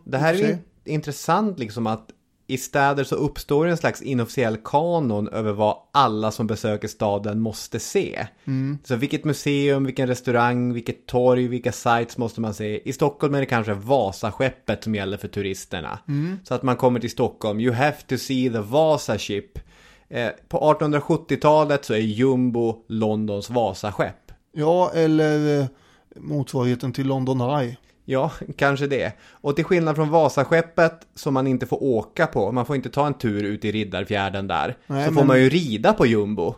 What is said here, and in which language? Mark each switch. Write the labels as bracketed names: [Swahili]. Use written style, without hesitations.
[Swedish] Det här är intressant liksom att i städer så uppstår en slags inofficiell kanon över vad alla som besöker staden måste se. Mm. Så vilket museum, vilken restaurang, vilket torg, vilka sites måste man se. I Stockholm är det kanske Vasaskeppet som gäller för turisterna. Mm. Så att man kommer till Stockholm. [English] You have to see the Vasaship. [Swedish] På 1870-talet så är Jumbo Londons Vasaskepp. Ja, eller motsvarigheten till London Eye. Ja, kanske det. Och till skillnad från Vasaskeppet som man inte får åka på, man får inte ta en tur ut i Riddarfjärden där. Nej, så får man ju rida på Jumbo.